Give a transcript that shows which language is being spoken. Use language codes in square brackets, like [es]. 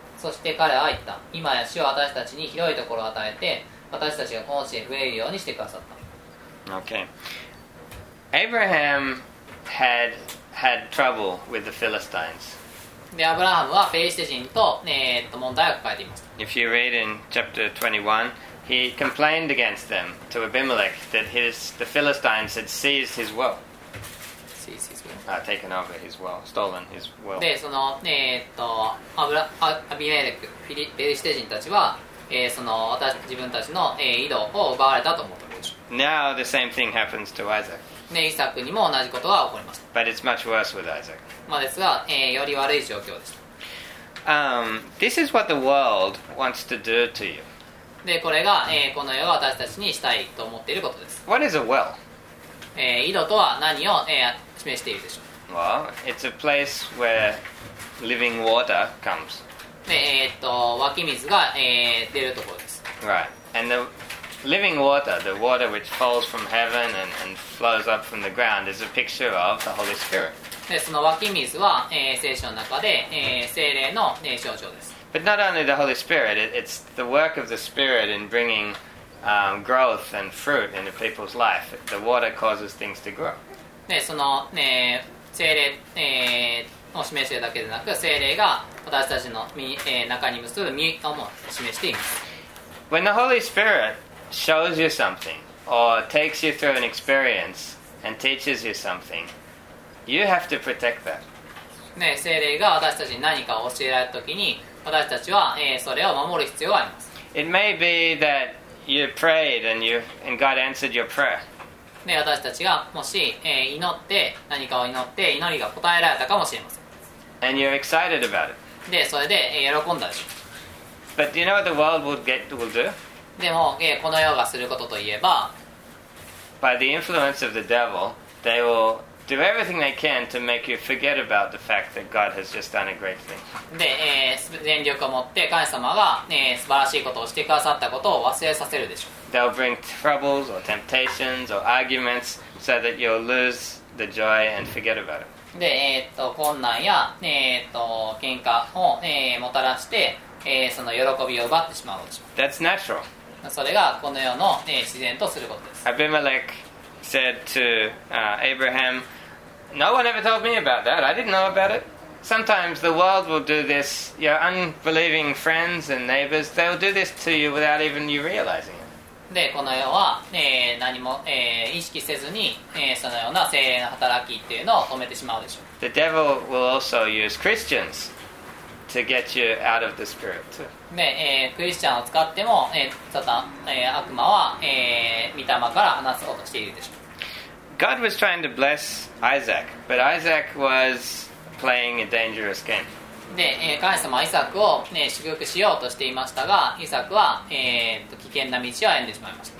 [ja] そして彼は言った。今や主は私たちに広いところを与えて私たちがこの地で増えるようにしてくださった。 [en] Okay. Abraham had trouble with the Philistines. [ja] で、アブラハムはペリシテ人と、問題を抱えていました。 [en] If you read in chapter 21, he complained against them to Abimelech that the Philistines had seized his wealth. Taken over his wealth, stolen his wealth. [ja] で、その、アビメレク、ペリシテ人たちは、その私自分たちの、井戸を奪われたと思ったことでしょう。 [en] Now the same thing happens to Isaac. で、イサクにも同じことが起こりました。 But it's much worse with Isaac. [ja] まあですが、より悪い状況でした。 [en] This is what the world wants to do to you. [ja] で、これが、この世は私たちにしたいと思っていることです。 [en] What is a well? [ja] 井戸とは何を、示しているでしょう。 [en] Well, it's a place where living water comes. [ja] 湧き水が、出るところです。 [en] Right. And the living water, the water which falls from heaven and flows up from the ground, is a picture of the Holy Spirit. [ja] で、その湧き水は、聖書の中で、聖霊の、象徴です。 [en] But not only the Holy Spirit, it's the work of the Spirit in bringing growth and fruit in the people's life. The water causes things to grow. [ja] でそのね、聖霊、を示しているだけでなく、聖霊が私たちの身、中に結ぶ身とも示しています。 [en] When the Holy Spirit shows you something or takes you through an experience and teaches you something, you have to protect that. [ja] 聖霊が私たちに何かを教えられるときに私たちは、それを守る必要があります。 [en] It may be that you prayed and God answered your prayer. [ja] で私たちがもし、祈って何かを祈って祈りが答えられたかもしれません。 [en] And you're excited about it. [ja] でそれで、喜んだでしょう。 [en] But do you know what the world will do? [ja] でも、この世がすることといえば、 [en] By the influence of the devil, they will do everything they can to make you forget about the fact that God has just done a great thing. [ja] で、全力を持って神様が、素晴らしいことをしてくださったことを忘れさせるでしょう。 [en] They'll bring troubles or temptations or arguments so that you'll lose the joy and forget about it. [ja] で、困難や、喧嘩を、もたらして、その喜びを奪ってしまうことでしょう。 [en] That's natural. [ja] それがこの世の、自然とすることです。 [en] Abimelech said to Abraham, No one ever told me about that. I didn't know about it. Sometimes the world will do this. Your unbelieving friends and neighbors, they'll do this to you without even you realizing it. [ja] でこの世は、何も、意識せずに、そのような聖霊の働きっていうのを止めてしまうでしょう。 [en] The devil will also use Christians to get you out of the spirit too. [ja] で、クリスチャンを使っても、サタン、悪魔は、御霊から離そうとしているでしょう。 [en] God was trying to bless Isaac, but Isaac was playing a dangerous game. [ja] で、神様はイサクを、祝福しようとしていましたが、イサクは、危険な道を歩んでしまいました。